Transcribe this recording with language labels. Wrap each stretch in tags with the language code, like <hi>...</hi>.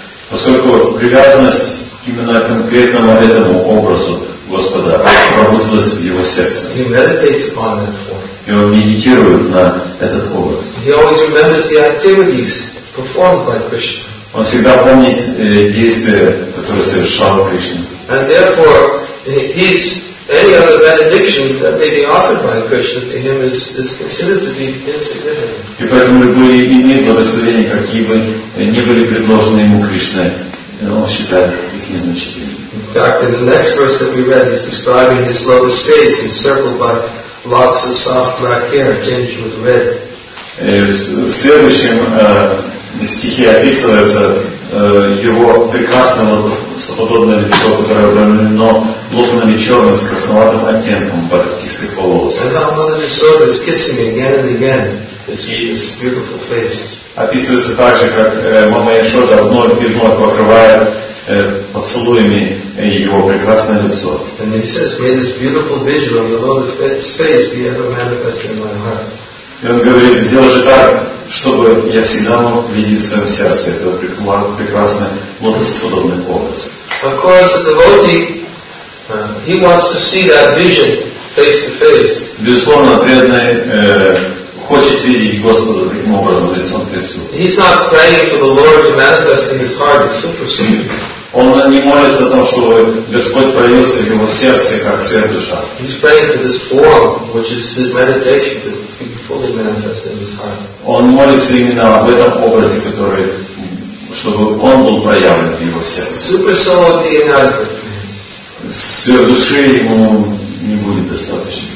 <ru>Поскольку привязанность именно к конкретному этому образу Господа пробудилась в его сердце.</ru> <en>He meditates upon that form.</en> <ru>И он медитирует на этот образ.</ru> <en>He always remembers the activities performed by Krishna.</en> <ru>Он всегда помнит действия, которые совершал Кришна.</ru> <en>And therefore, his any other benediction that may be offered by Krishna to him is considered to be insignificant.</en> <ru>И поэтому любые иные благословения, какие бы ни были предложены ему Кришной, он считает их незначительными.</ru> <en>In fact, in the next verse that we read, he's describing his lotus face encircled by locks of soft black hair tinged with red.</en> <ru>В следующем стихе описывается его прекрасное лотосоподобное лицо, которое обрамлено локонами черным с красноватым оттенком под кисткой полуоса. Описывается так же, как мама Яшода вновь и вновь покрывает поцелуями его прекрасное лицо. И он говорит, сделай же так, чтобы я всегда мог видеть в своем сердце этот прекрасный лотосоподобный образ.</ru> <en>Of course, the devotee, he wants to see that vision face to face.</en> <ru>Безусловно, преданный хочет видеть Господа таким образом лицом к лицу.</ru> <en>He's not praying for the Lord to manifest in his heart as supersuper.</en> <ru>Он не молится о том, чтобы Господь проявился в его сердце как сверхдуша.</ru> <en>He's praying for this form, which is his meditation, to be fully manifested in his heart.</en> <ru>Он молится именно об этом образе, который, чтобы он был проявлен в его сердце.</ru> <en>Super-soul would be inadequate.</en> <ru>Сверхдуши ему не будет достаточно.</ru>